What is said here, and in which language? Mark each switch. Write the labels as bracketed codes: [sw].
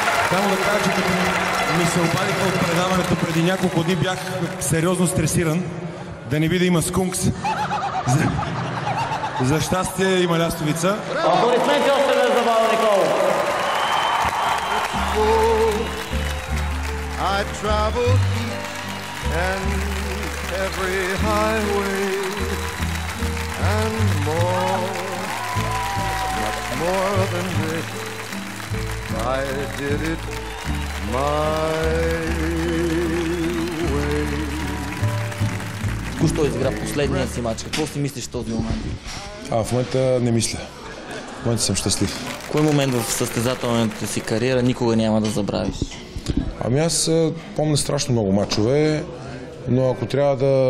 [bg] Само да кажа, че като ми се обадиха от предаването преди няколко дни, бях сериозно стресиран да не би да има скункс. За щастие има лястовица. Аплодисменти още не за Владо Николов. [en] I traveled and every highway and more, much more than this, I did it my way. [bg] Току-що изигра последния си матч. Какво си мислиш в този момент? В момента не мисля. В момента съм щастлив. Кой момент в състезателната си кариера никога няма да забравиш? Аз помня страшно много матчове. Но ако трябва да...